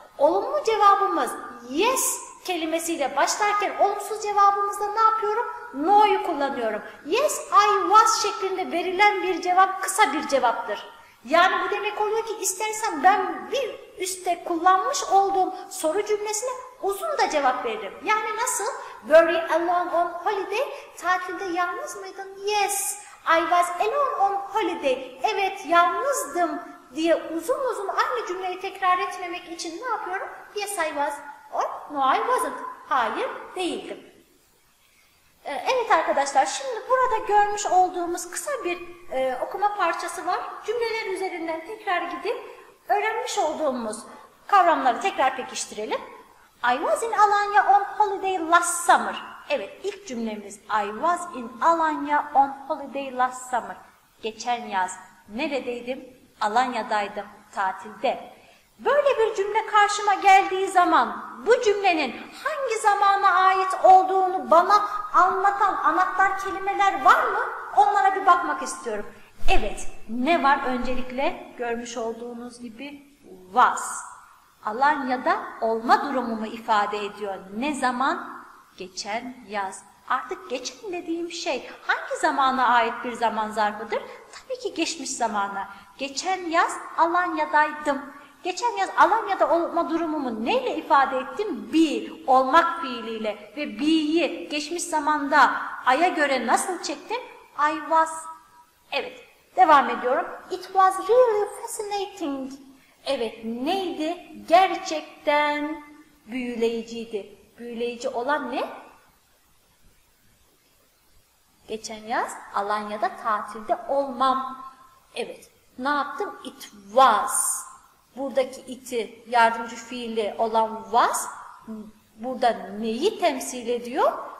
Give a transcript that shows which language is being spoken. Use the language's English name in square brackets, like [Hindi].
[Turkish] Olumlu cevabımız yes kelimesiyle başlarken olumsuz cevabımızda ne yapıyorum? No'yu kullanıyorum. [English] Yes, I was [Turkish] şeklinde verilen bir cevap kısa bir cevaptır. Yani bu demek oluyor ki istersen ben bir üstte kullanmış olduğum soru cümlesine uzun da cevap veririm. Yani nasıl? [English] Were you alone on holiday? [Turkish] Tatilde yalnız mıydın? [English] Yes, I was alone on holiday. [Turkish] Evet, yalnızdım diye uzun uzun aynı cümleyi tekrar etmemek için ne yapıyorum? [English] Yes, I was. Or, no, I wasn't. [Turkish] Hayır, değildim. Evet arkadaşlar, şimdi burada görmüş olduğumuz kısa bir okuma parçası var. Cümleler üzerinden tekrar gidip öğrenmiş olduğumuz kavramları tekrar pekiştirelim. [English] I was in Alanya on holiday last summer. [Turkish] Evet, ilk cümlemiz [English] I was in Alanya on holiday last summer. [Turkish] Geçen yaz neredeydim? Alanya'daydım, tatilde. Böyle bir cümle karşıma geldiği zaman bu cümlenin hangi zamana ait olduğunu bana anlatan anahtar kelimeler var mı? Onlara bir bakmak istiyorum. Evet, ne var öncelikle? Görmüş olduğunuz gibi was. Alanya'da olma durumumu ifade ediyor. Ne zaman? Geçen yaz. Artık geçen dediğim şey hangi zamana ait bir zaman zarfıdır? Tabii ki geçmiş zamana. Geçen yaz Alanya'daydım. Geçen yaz Alanya'da olma durumumu neyle ifade ettim? Be, olmak fiiliyle ve be'yi geçmiş zamanda I'ya göre nasıl çektim? [English] I was. [Turkish] Evet, devam ediyorum. [English] It was really fascinating. [Turkish] Evet, neydi? Gerçekten büyüleyiciydi. Büyüleyici olan ne? Geçen yaz Alanya'da tatilde olmam. Evet, ne yaptım? [English] It was. [Turkish] Buradaki iti, yardımcı fiili olan was, burada neyi temsil ediyor?